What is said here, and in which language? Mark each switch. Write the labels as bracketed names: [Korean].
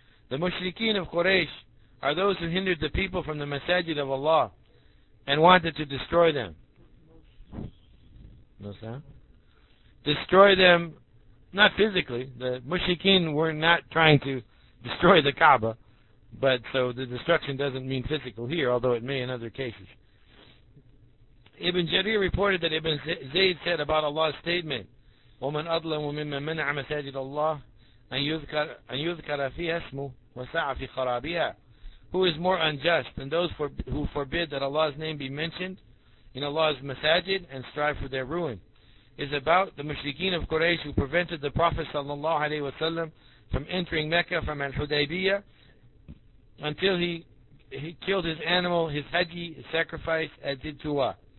[English] The mushrikeen of Quraysh are those who hindered the people from the masajid of Allah and wanted to destroy them. No sound? Destroy them, not physically. The mushrikeen were not trying to destroy the Kaaba. But so the destruction doesn't mean physical here, although it may in other cases. Ibn Jarir reported that Ibn Zayd said about Allah's statement, [Arabic] وَمَنْ أَظْلَمُ مِمَّنْ مَنَعَ مَسَاجِدَ اللَّهِ أَنْ يُذْكَرَ فِي أَسْمُهُ وَسَعَ فِي خَرَابِهَا. [English] Who is more unjust than those who forbid that Allah's name be mentioned in Allah's masajid and strive for their ruin? Is about the mushrikeen of Quraysh who prevented the Prophet ﷺ from entering Mecca from Al-Hudaybiyah until he killed his animal, his haji, his sacrifice, at Zidtuwa.